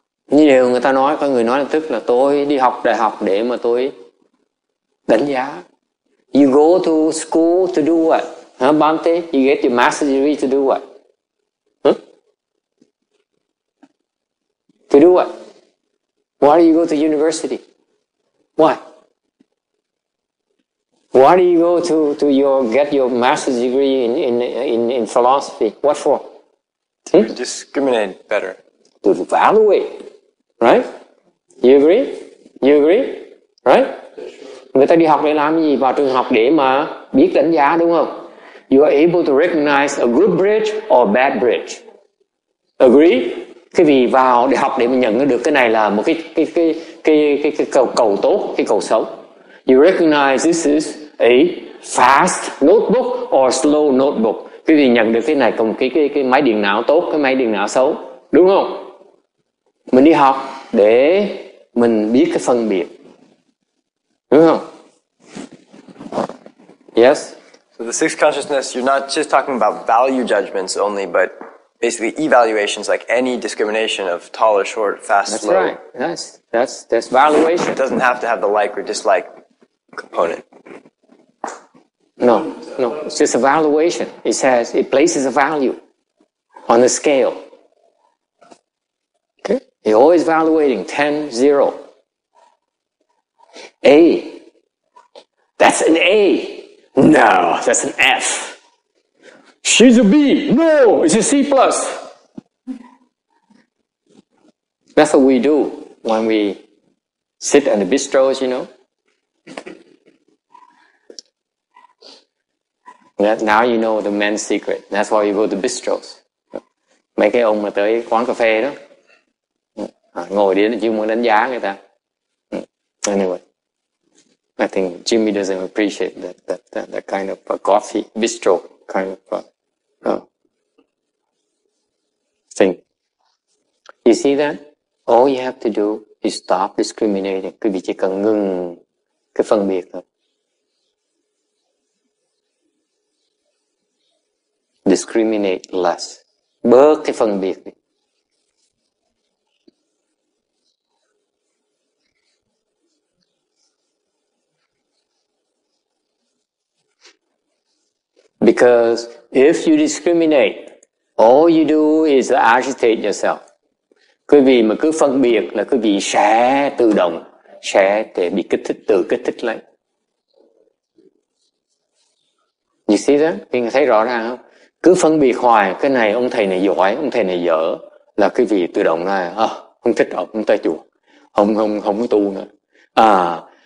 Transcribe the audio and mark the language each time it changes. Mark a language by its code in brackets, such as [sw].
[vi] Như nhiều người ta nói, có người nói là tức là tôi đi học đại học để mà tôi đánh giá. [en] You go to school to do what? Huh, Bante? You get your master's degree to do what? Huh? To do what? Why do you go to university? Why? Why do you go to your get your master's degree in philosophy? What for? To discriminate better. To evaluate. Right? You agree? You agree? Right? [vi] Người ta đi học để làm gì? Vào trường học để mà biết đánh giá, đúng không? [en] You are able to recognize a good bridge or a bad bridge. Agree? [vi] Cái vì vào để học để mà nhận được cái này là một cái cầu tốt, cái cầu xấu. [en] You recognize this is a fast notebook or slow notebook. [vi] Quý vị nhận được cái này cùng cái máy điện não tốt, cái máy điện não xấu. Đúng không? Mình đi học để mình biết cái phân biệt. Đúng không? [en] Yes? So the sixth consciousness, you're not just talking about value judgments only, but basically evaluations, like any discrimination of tall or short, fast, that's slow. That's right. That's valuation. It doesn't have to have the like or dislike component. No, it's just a valuation. It says it places a value on the scale. You're always evaluating 10, 0. A. That's an A. No, that's an F. She's a B. No, it's a C plus. That's what we do when we sit in the bistros, you know. That, now you know the man's secret. That's why you go to bistros. [vi] Mấy cái ông mà tới quán cà phê đó, ngồi đi chỉ muốn đánh giá người ta. [en] Anyway, I think Jimmy doesn't appreciate that kind of a coffee bistro kind of thing. You see that? All you have to do is stop discriminating. [vi] Quý vị chỉ cần ngừng cái phân biệt thôi. [en] Discriminate less. [vi] Bớt cái phân biệt đi. [en] Because if you discriminate, all you do is agitate yourself. [vi] Quý vị mà cứ phân biệt là quý vị sẽ tự động, sẽ để bị kích thích, tự kích thích lấy. [en] You see that? [vi] Quý vị thấy rõ ràng không? Cứ phân biệt hoài, cái này ông thầy này giỏi, ông thầy này dở, là quý vị tự động là không thích ông, không tới chùa, không có tu nữa.